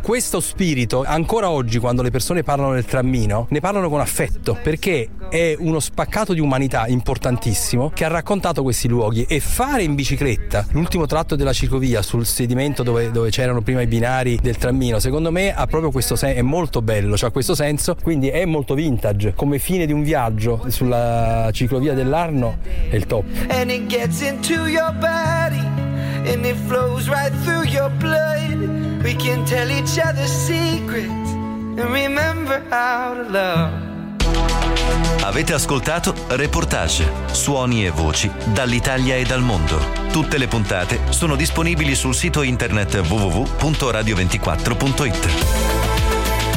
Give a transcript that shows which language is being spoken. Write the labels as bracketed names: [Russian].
[Italian] Questo spirito ancora oggi, quando le persone parlano del trammino, ne parlano con affetto, perché è uno spaccato di umanità importantissimo che ha raccontato questi luoghi. E fare in bicicletta l'ultimo tratto della ciclovia sul sedimento dove c'erano prima i binari del trammino, secondo me ha proprio questo senso, è molto bello, cioè ha questo senso, quindi è molto vintage come fine di un viaggio sulla ciclovia dell'Arno, è il top. [English] And it gets into your body and it flows right through your blood. We can tell each other secrets and remember how to love. [Italian] Avete ascoltato Reportage, suoni e voci dall'Italia e dal mondo. Tutte le puntate sono disponibili sul sito internet www.radio24.it.